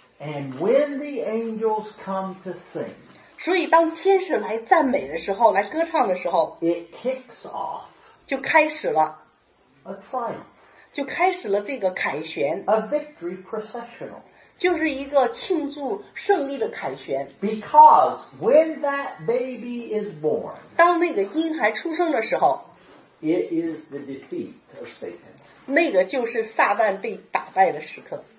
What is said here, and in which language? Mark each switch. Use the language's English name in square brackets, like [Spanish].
[English] And when the angels come to sing, [Chinese] 所以当天使来赞美的时候，来歌唱的时候， [English] it kicks off [Chinese] 就开始了 [English] a triumph, [Chinese] 就开始了这个凯旋 [English] a victory processional, [Chinese] 就是一个庆祝胜利的凯旋。 [English] Because when that baby is born, [Chinese] 当那个婴孩出生的时候， [English] it is the defeat of Satan, [Chinese] 那个就是撒旦被打败的时刻。